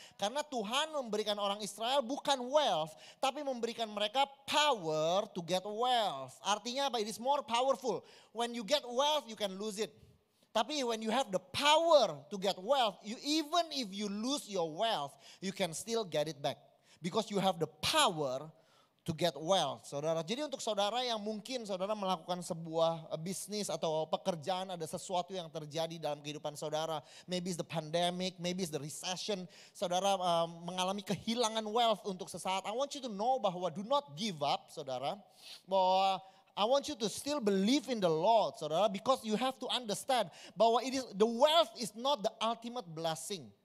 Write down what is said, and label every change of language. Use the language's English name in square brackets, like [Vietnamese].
[Indonesian] Karena Tuhan memberikan orang Israel bukan wealth, tapi memberikan mereka [English] power to get wealth. [Indonesian] Artinya apa? [English] It is more powerful. When you get wealth, you can lose it. [Indonesian] Tapi [English] when you have the power to get wealth, you, even if you lose your wealth, you can still get it back. Because you have the power to get wealth, saudara. [Indonesian] Jadi untuk saudara yang mungkin saudara melakukan sebuah bisnis atau pekerjaan, ada sesuatu yang terjadi dalam kehidupan saudara. [English] Maybe it's the pandemic, maybe it's the recession. [Indonesian] Saudara mengalami kehilangan wealth untuk sesaat. [English] I want you to know bahwa do not give up, saudara. Bahwa I want you to still believe in the Lord, saudara. Because you have to understand bahwa it is the wealth is not the ultimate blessing.